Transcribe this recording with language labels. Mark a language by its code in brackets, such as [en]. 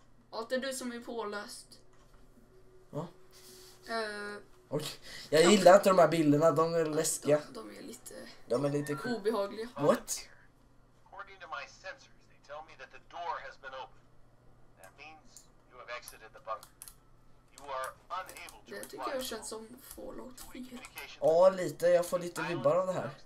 [sv] Ja, det är du som är pålöst. Va? Okay. Jag gillar inte de här bilderna, de är läskiga. De är lite obehagliga. [en] What? According to my sensors, they tell me that the door has been open. That means you have exited the bunker. You are unable to. [sv] Det tycker jag känns som Fallout 4. Ja, lite, jag får lite vibbar av det här.